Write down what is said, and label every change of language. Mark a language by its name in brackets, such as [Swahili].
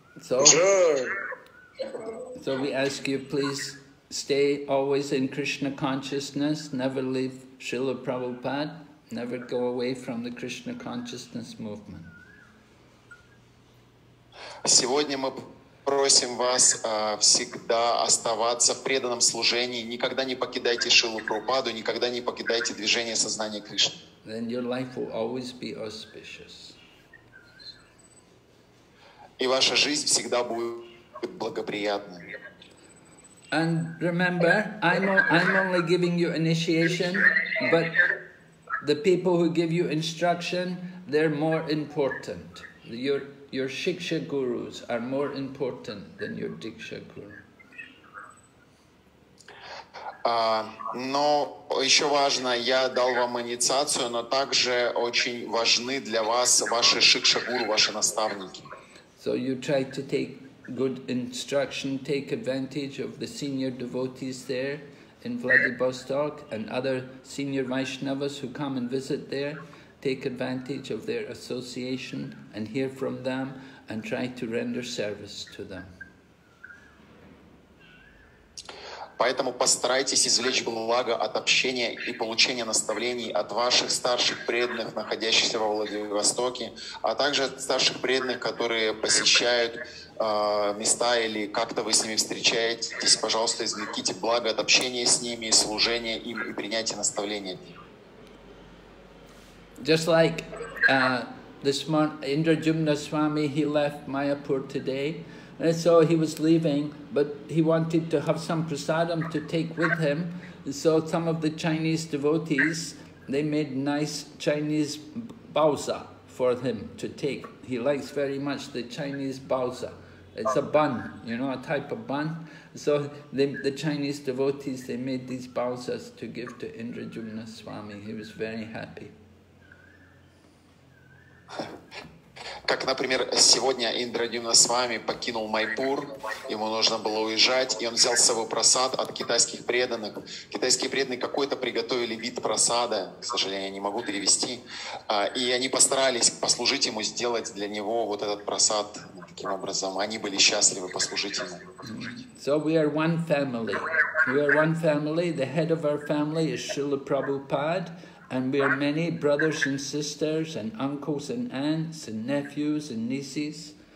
[English] So we ask you, please stay always in Krishna consciousness. Never leave Srila Prabhupada. Never go away from the Krishna consciousness movement. [Russian] Сегодня мы просим вас всегда оставаться в преданном служении. Никогда не покидайте Шрилу Прабхупаду, никогда не покидайте движение сознания Кришны. [English] Then your life will always be auspicious. [Russian] И ваша жизнь всегда будет благоприятной. [English] And remember, I'm only giving you initiation, but the people who give you instruction, they're more important. Your Shiksha Gurus are more important than your Diksha Guru. [Russian] Но еще важно, я дал вам инициацию, но также очень важны для вас ваши Шикша Гуру, ваши наставники. [English] So you try to take good instruction, take advantage of the senior devotees there in Vladivostok and other senior Vaishnavas who come and visit there. Take advantage of their association and hear from them and try to render service to them. [Russian] Поэтому постарайтесь извлечь благо от общения и получения наставлений от ваших старших преданных, находящихся во Владивостоке, а также от старших преданных, которые посещают места или как-то вы с ними встречаетесь. Пожалуйста, извлеките благо от общения с ними, служения им и принятия наставления. [English] Just like this morning, Indra Jumna Swami, he left Mayapur today, and so he was leaving, but he wanted to have some prasadam to take with him, and so some of the Chinese devotees, they made nice Chinese bausa for him to take. He likes very much the Chinese baozi. It's a bun, you know, a type of bun. So the Chinese devotees, they made these baozis to give to Indrajumna Swami. He was very happy. [Russian] Как, например, сегодня Индрадюмна Свами покинул Майпур, ему нужно было уезжать, и он взял с собой просад от китайских преданных. Китайские преданные какой-то приготовили вид просада, к сожалению, я не могу перевести, и они постарались послужить ему, сделать для него вот этот просад таким образом. Они были счастливы послужить ему. [English] So we are one family. We are one family. The head of our family is Srila Prabhupada. And we are many brothers and sisters and uncles and aunts and nephews and nieces.